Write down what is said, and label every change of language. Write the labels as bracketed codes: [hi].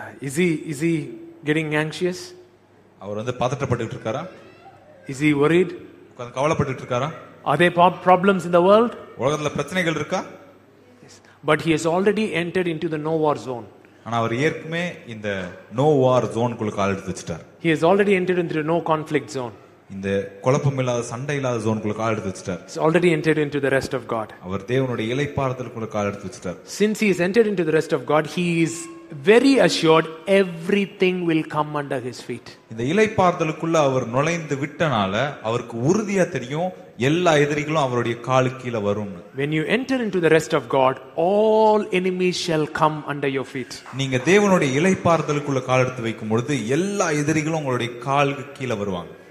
[en] Is he getting anxious? [ta] அவர் வந்து பதட்டப்பட்டு இருக்காரா? [en] Is he worried? [ta] கவலைப்பட்டு இருக்காரா? [en] Are there problems in the world? [ta] உலகத்துல பிரச்சனைகள் இருக்கா? [en] Yes. But he has already entered into the no war zone. [ta] அவர் ஏற்கனவே இந்த [en] no war zone [ta] குள்ள கால் எடுத்து வச்சிட்டார். [en] He has already entered into the no conflict zone. [ta] இந்த குழப்பமில்லாத சண்டை இல்லாத zone குள்ள கால் எடுத்து வச்சிட்டார். [en] He has already entered into the rest of God. [ta] அவர் தேவனுடைய இளைப்பாறுதல் குள்ள கால் எடுத்து வச்சிட்டார். [en] Since he has entered into the rest of God, he is very assured everything will come under his feet. [ta] இந்த இளைப்பாறுதலுக்குள்ள அவர் நுழைந்து விட்டனால அவருக்கு உறுதியா தெரியும் எல்லா எதிரிகளும் அவருடைய காலுக்கு கீழே வரும். [en] When you enter into the rest of God, all enemies shall come under your feet. [ta] நீங்க தேவனுடைய இளைப்பாறுதலுக்குள்ள கால் எடுத்து வைக்கும் பொழுது எல்லா எதிரிகளும் உங்களுடைய காலுக்கு கீழே வருவாங்க.